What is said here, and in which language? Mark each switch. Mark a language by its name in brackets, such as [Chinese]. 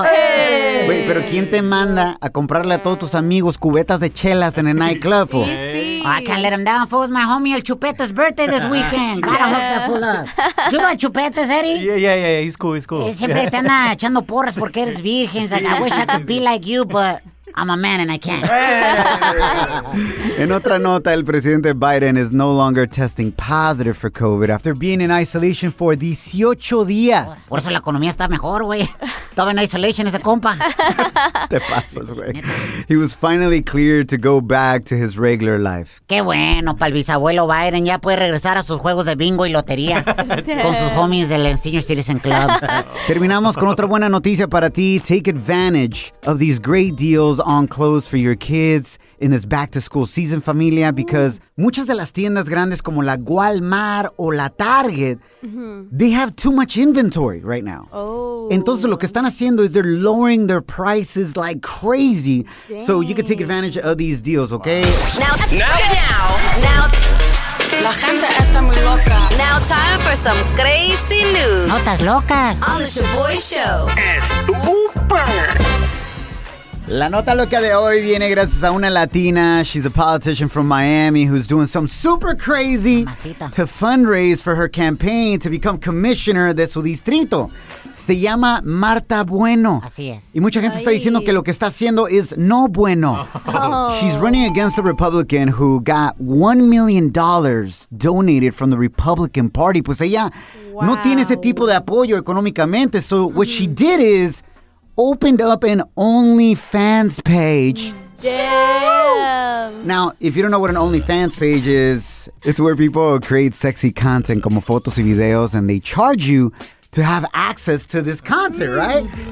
[Spanish] Güey, pero ¿quién te manda a comprarle a todos tus amigos cubetas de chelas en el nightclub? Sí, sí. [English] Oh, I can't let him down, fool. My homie, el Chupete's birthday this weekend. Gotta hook that fool up. You know Chupete's, Eddie? Yeah. He's cool. [Spanish] Siempre te anda echando porras porque eres virgen. [English] Like, I wish I could be like you, but I'm a man and I can't. [Spanish] En otra nota, el presidente Biden [English] is no longer testing positive for COVID after being in isolation for 18 días. [Spanish] Por eso la economía está mejor, güey. Estaba en isolation ese compa. Te pasas, güey. [English] He was finally cleared to go back to his regular life. [Spanish] Qué bueno, pa'l bisabuelo Biden ya puede regresar a sus juegos de bingo y lotería con sus homies del Senior Citizen Club. Terminamos con otra buena noticia para ti. [English] Take advantage of these great deals on clothes for your kids in this back to school season, familia, because [Spanish] muchas de las tiendas grandes como la Walmart o la Target, [English] they have too much inventory right now. Oh. [Spanish] Entonces lo que están haciendo [English] is they're lowering their prices like crazy. Dang. So you can take advantage of these deals, okay? Now. [Spanish] La gente está muy loca. [English] Now time for some crazy news. [Spanish] Notas locas. [English] On the Shaboy Show. Super. [Spanish] La nota loca de hoy viene gracias a una Latina. [English] She's a politician from Miami who's doing some super crazy [Spanish] Mamacita. [English] To fundraise for her campaign to become commissioner [Spanish] de su distrito. Se llama Marta Bueno. Así es. Y mucha gente está diciendo que lo que está haciendo es no bueno. [English] Oh. She's running against a Republican who got $1 million donated from the Republican Party. [Spanish] Pues ella no tiene ese tipo de apoyo económicamente. [English] So what she did is opened up an OnlyFans page. Damn. Now, if you don't know what an OnlyFans page is, it's where people create sexy content, [Spanish] como fotos y videos, [English] and they charge you to have access to this content, right?